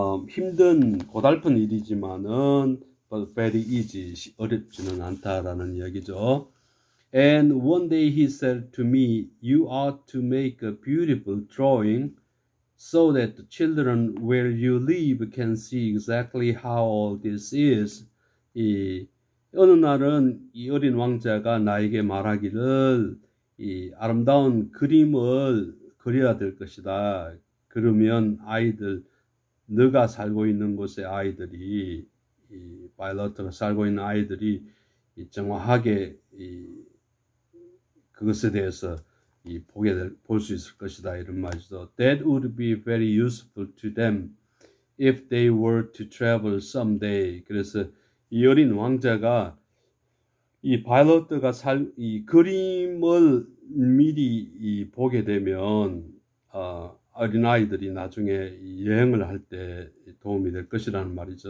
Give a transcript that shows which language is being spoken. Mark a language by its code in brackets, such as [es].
[ko] 힘든 고달픈 일이지만은 [en] but very easy, [ko] 어렵지는 않다라는 이야기죠. [en] And one day he said to me, "You are to make a beautiful drawing, so that the children where you live can see exactly how all this is." [ko] 어느 날은 이 어린 왕자가 나에게 말하기를 이 아름다운 그림을 그려야 될 것이다. 그러면 아이들, 네가 살고 있는 곳의 아이들이, 이 바이러트가 살고 있는 아이들이 정확하게 그것에 대해서 볼수 있을 것이다. 이런 말이죠. [en] That would be very useful to them if they were to travel someday. [ko] 그래서 이 어린 왕자가 이 바이러트가 이 그림을 미리 보게 되면 어린아이들이 나중에 여행을 할때 도움이 될 것이라는 말이죠.